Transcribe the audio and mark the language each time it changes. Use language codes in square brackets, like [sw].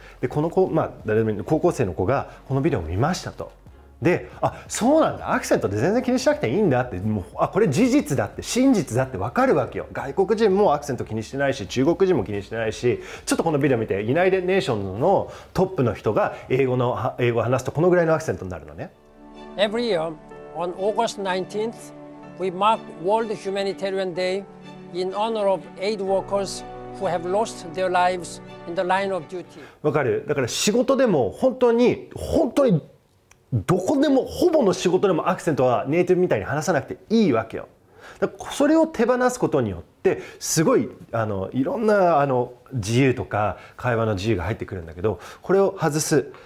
[ja] でこの子、まあ、誰でも高校生の子がこのビデオを見ましたと、であそうなんだ、アクセントで全然気にしなくていいんだって、もうあこれ事実だって真実だって分かるわけよ。外国人もアクセント気にしてないし、中国人も気にしてないし、ちょっとこのビデオ見て、ユナイテッドネーションのトップの人が英語を話すとこのぐらいのアクセントになるのね。 [en] Every year on August 19th we mark World Humanitarian Day in honor of aid workers who have lost their lives in the line of duty。 [ja] 分かる。だから仕事でも本当にどこでもほぼの仕事でもアクセントはネイティブみたいに話さなくていいわけよ。だからそれを手放すことによってすごいいろんな自由とか会話の自由が入ってくるんだけど、これを外す。